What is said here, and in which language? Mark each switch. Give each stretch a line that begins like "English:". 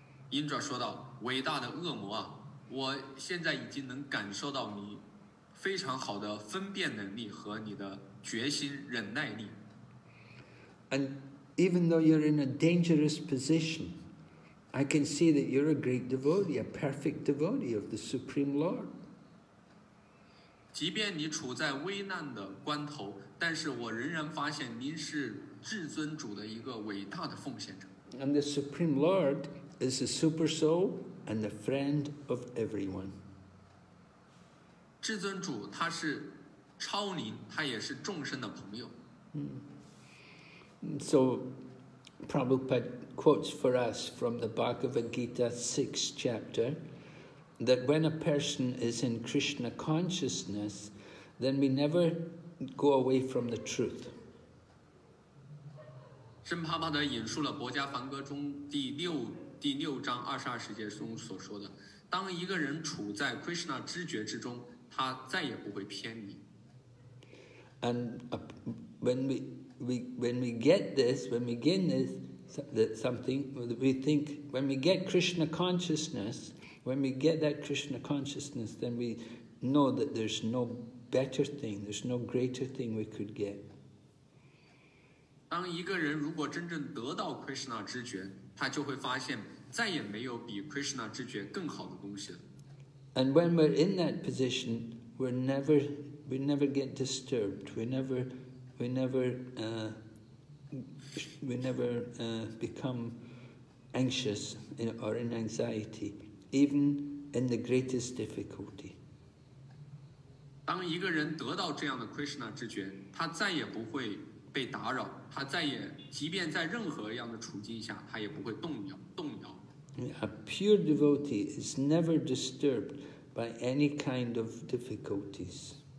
Chinese: Indra 说道，伟大的恶魔啊，我现在已经能感受到你非常好的分辨能力和你的决心忍耐力。
English: And even though you're in a dangerous position, I can see that you're a great devotee, a perfect devotee of the Supreme Lord.
Chinese: 即便你处在危难的关头，但是我仍然发现您是至尊主的一个伟大的奉献者。
English: And the Supreme Lord is the super soul and the friend of everyone.
Chinese: 至尊主他是超灵，他也是众生的朋友。
English: So Prabhupada quotes for us from the Bhagavad Gita 6th chapter that when a person is in Krishna consciousness, then we never go away from the truth.
Chinese: 圣帕帕德引述了《薄伽梵歌》中第六章二十二节中所说的，当一个人处在 Krishna 知觉之中，他再也不会偏离。
English: And when we get Krishna consciousness, then we know that there's no better thing, there's no greater thing we could get.
Chinese: 当一个人如果真正得到 Krishna 知觉，他就会发现再也没有比 Krishna 知觉更好的东西了。
English: And when we're in that position, we never get disturbed, we never become anxious or in anxiety, even in the greatest difficulty.
Chinese: 当一个人得到这样的 Krishna 知觉，他再也不会被打扰，他再也，即便在任何样的处境下，他也不会动摇。
English: A pure devotee is never disturbed by any kind of difficulties.